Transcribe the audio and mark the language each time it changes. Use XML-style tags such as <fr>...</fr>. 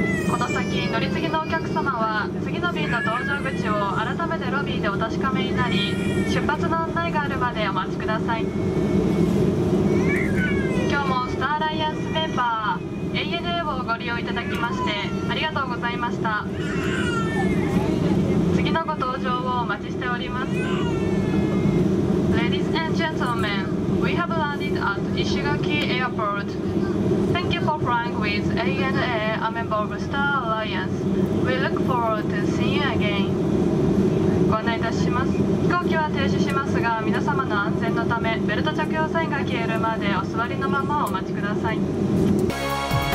<ja>この先乗り継ぎのお客様は次の便の搭乗口を改めてロビーでお確かめになり、出発の案内があるまでお待ちください。今日もスターアライアンスメンバー ANA をご利用いただきましてありがとうございました。次のご搭乗をお待ちしております。</ja> <en>Ladies and gentlemen, we have landed at Ishigaki Airport. Thank you for flying with ANA, a member of Star Alliance. We look forward to seeing you again.</en> <ja>ご案内いたします。飛行機は停止しますが、皆様の安全のため、ベルト着用サインが消えるまでお座りのままお待ちください。</ja>